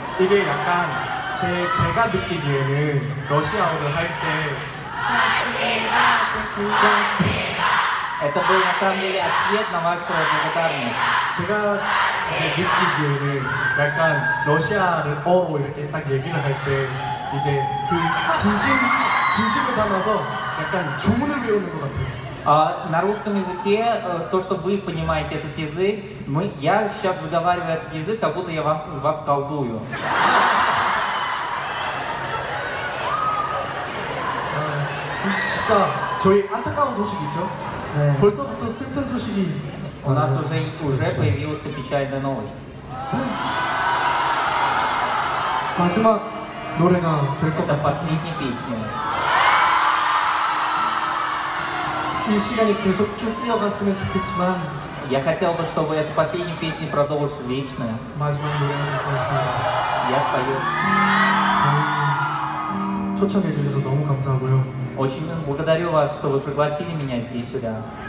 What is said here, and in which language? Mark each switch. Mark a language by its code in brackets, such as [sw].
[ko] 이게 약간 제가 느끼기에는 러시아어를 할 때 [ru] Это был на самом деле ответ на вашу благодарность. [ko] 제가 이제 느끼기에는 약간 러시아를 이렇게 딱 얘기를 할 때 이제 그 진심을 담아서 약간 주문을 외우는 것 같아요. [ru] На русском языке то, что вы понимаете этот язык, я сейчас выговариваю этот язык, как будто я вас колдую. [ko] 진짜 저희 안타까운 소식 있죠? 네. 벌써부터 슬픈 소식이. [ru] У нас уже появилась печальная новость. [ko] 마지막 노래가 될 것 같아요. [ru] Последняя песня. [ko] 이 시간이 계속 쭉 이어갔으면 좋겠지만. [ru] Я хотел бы, чтобы эта последняя песня продолжилась вечно. [ko] 마지막 노래가 될 것 같습니다. [ru] Я спою. [ko] 초청해 주셔서 너무 감사하고요. [ru] Очень благодарю вас, что вы пригласили меня здесь сюда.